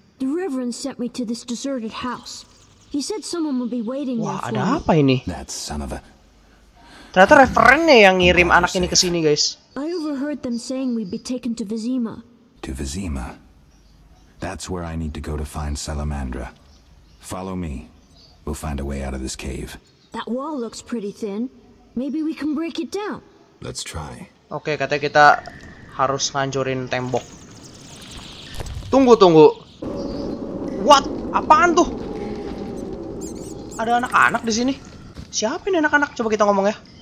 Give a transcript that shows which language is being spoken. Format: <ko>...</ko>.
<en>The Reverend sent me to this deserted house. He said someone will be waiting there for me.</en> <id>Wah, ada apa ini?</id> <en>That's son of a...</en> <id>Ternyata Reverend-nya yang ngirim anak ini ke sini, guys.</id> <en>I overheard them saying we'd be taken to Vizima. To Vizima. That's where I need to go to find Salamandra. Follow me. We'll find a way out of this cave. That wall looks pretty thin. Maybe we can break it down. Let's try.</en> <id>Oke, katanya kita harus ngancurin tembok. Tunggu, tunggu.</id> <en>What?</en> <id>Apaan tuh? Ada anak-anak di sini. Siapa ini anak-anak? Coba kita ngomong ya.</id>